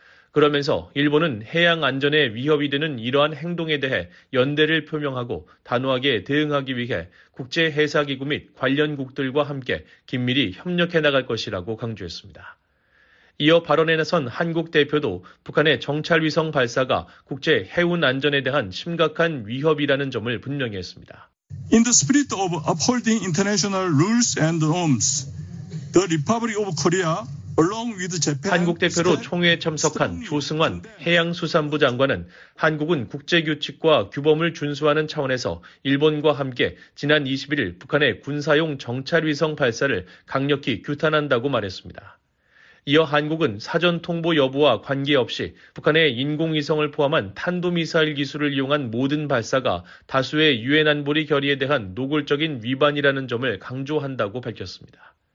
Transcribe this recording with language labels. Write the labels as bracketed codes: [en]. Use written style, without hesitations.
[ko] 그러면서 일본은 해양 안전에 위협이 되는 이러한 행동에 대해 연대를 표명하고 단호하게 대응하기 위해 국제해사기구 및 관련국들과 함께 긴밀히 협력해 나갈 것이라고 강조했습니다. 이어 발언에 나선 한국 대표도 북한의 정찰위성 발사가 국제 해운 안전에 대한 심각한 위협이라는 점을 분명히 했습니다. [en] In the spirit of upholding international rules and norms, the Republic of Korea, along with Japan, [ko] 한국 대표로 총회에 참석한 조승환 해양수산부 장관은 한국은 국제규칙과 규범을 준수하는 차원에서 일본과 함께 지난 21일 북한의 군사용 정찰위성 발사를 강력히 규탄한다고 말했습니다. 이어 한국은 사전 통보 여부와 관계없이 북한의 인공위성을 포함한 탄도미사일 기술을 이용한 모든 발사가 다수의 유엔 안보리 결의에 대한 노골적인 위반이라는 점을 강조한다고 밝혔습니다.